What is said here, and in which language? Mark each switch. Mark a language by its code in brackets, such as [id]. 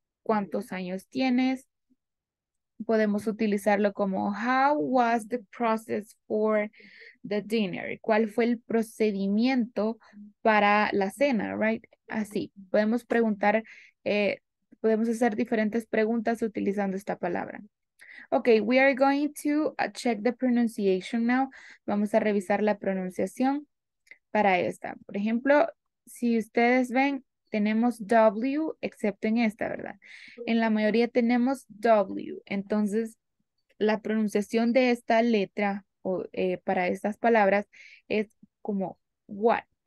[es] ¿Cuántos años tienes? Podemos utilizarlo como [en] how was the process for the dinner? [es] ¿Cuál fue el procedimiento para la cena? Right? Así, podemos preguntar, podemos hacer diferentes preguntas utilizando esta palabra. [en] Okay, we are going to check the pronunciation now. [es] Vamos a revisar la pronunciación para esta. Por ejemplo, si ustedes ven, tenemos W, excepto en esta, ¿verdad? En la mayoría tenemos W. Entonces, la pronunciación de esta letra o para estas palabras es como what.